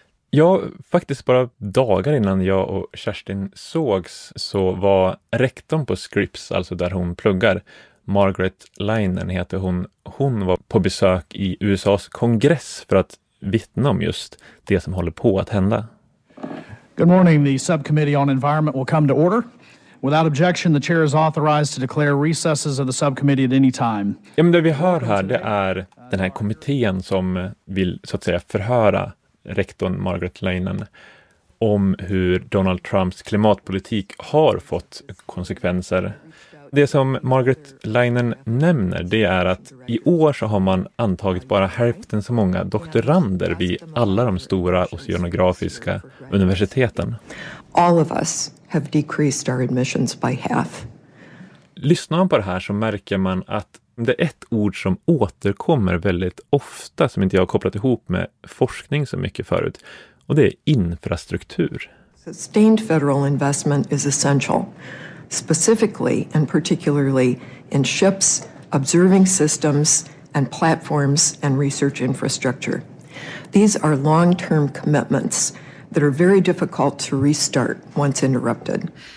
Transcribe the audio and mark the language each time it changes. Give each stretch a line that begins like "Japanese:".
Swedish: Ja, faktiskt bara dagar innan jag och Kerstin sågs så var rektorn på Scripps, alltså där hon pluggar, Margaret Leinen heter hon. Hon var på besök i USAs kongress för att vittna om just det som håller på att hända.
English: Good morning. The Subcommittee on Environment will come to order. Without objection, the chair is authorized to declare recesses of the subcommittee at any time.
Swedish: Ja, men det vi hör här, det är den här kommittén som vill så att säga förhöra rektorn Margaret Leinen om hur Donald Trumps klimatpolitik har fått konsekvenser. Det som Margaret Leinen nämner det är att i år så har man antagit bara hälften så många doktorander vid alla de stora oceanografiska universiteten.
English: All of us have decreased our admissions by half.
Swedish: Lyssnar man på det här så märker man att det är ett ord som återkommer väldigt ofta som inte jag har kopplat ihop med forskning så mycket förut. Och det är infrastruktur.
English: Sustained federal investment is essential. Specifically and particularly in ships, observing systems, and platforms and research infrastructure. These are long-term commitments that are very difficult to restart once interrupted.